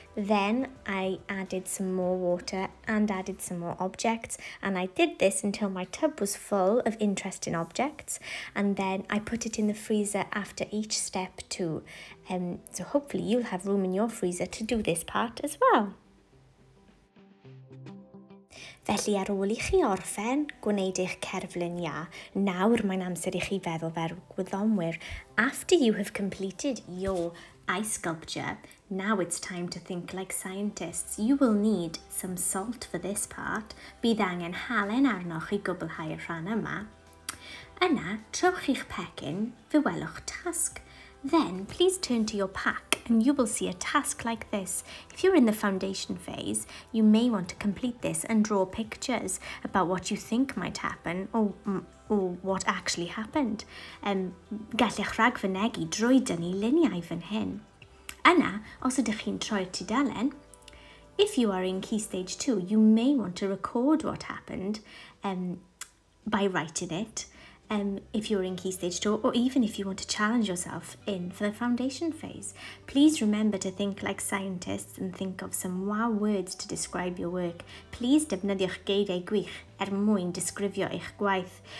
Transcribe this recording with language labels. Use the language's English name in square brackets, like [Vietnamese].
[English] Then I added some more water and added some more objects. And I did this until my tub was full of interesting objects. And then I put it in the freezer after each step too. So hopefully you'll have room in your freezer to do this part as well. [Welsh] Felly ar ôl i chi orffen gwneud eich cerflun ia, nawr mae'n amser i chi feddwl fel gwyddonwyr. [English] After you have completed your ice sculpture, now it's time to think like scientists. You will need some salt for this part. [Welsh] Bydd angen halen arnoch i gwblhau'r rhan yma. Yna, trowch i'ch pecyn, fe welwch tasg. [English] Then, please turn to your pack and you will see a task like this. If you're in the foundation phase, you may want to complete this and draw pictures about what you think might happen or what actually happened. [Welsh] Gallech ragfynegi drwy dynnu luniau fan hyn. Yna, os ydych chi'n troi'r tudalen, [English] if you are in key stage 2, you may want to record what happened by writing it. If you're in Key Stage 2, or even if you want to challenge yourself in for the foundation phase, please remember to think like scientists and think of some wow words to describe your work. [Welsh] Please defnyddiwch geiriau gwych er mwyn disgrifio eich gwaith.